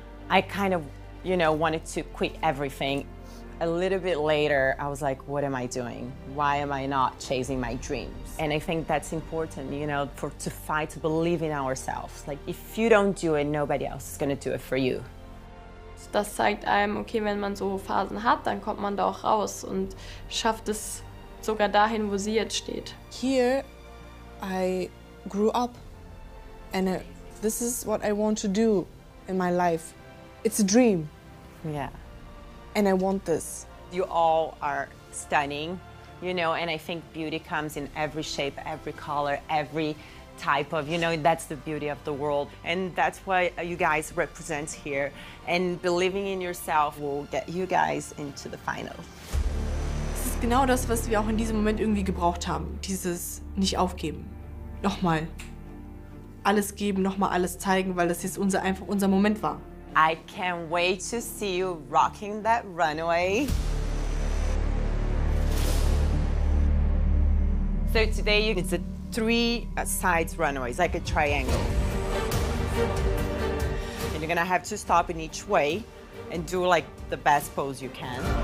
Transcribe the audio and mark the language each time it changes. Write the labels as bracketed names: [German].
[English] I kind of, you know, wanted to quit everything. A little bit later, I was like, what am I doing? Why am I not chasing my dreams? And I think that's important, you know, to fight, to believe in ourselves. Like, if you don't do it, nobody else is gonna do it for you. [German] Das zeigt einem, okay, wenn man so Phasen hat, dann kommt man da auch raus und schafft es sogar dahin, wo sie jetzt steht. [English] Here, I grew up. And this is what I want to do in my life. It's a dream. Yeah. And I want this. You all are stunning, you know, and I think beauty comes in every shape, every color, every type of, you know, that's the beauty of the world. And that's what you guys represent here. And believing in yourself will get you guys into the final. [German] Es ist genau das, was wir auch in diesem Moment irgendwie gebraucht haben. Dieses nicht aufgeben. Nochmal alles geben, nochmal alles zeigen, weil das jetzt einfach unser Moment war. [English] I can't wait to see you rocking that runway. So today it's a 3 sides runway, it's like a triangle. And you're gonna have to stop in each way and do like the best pose you can.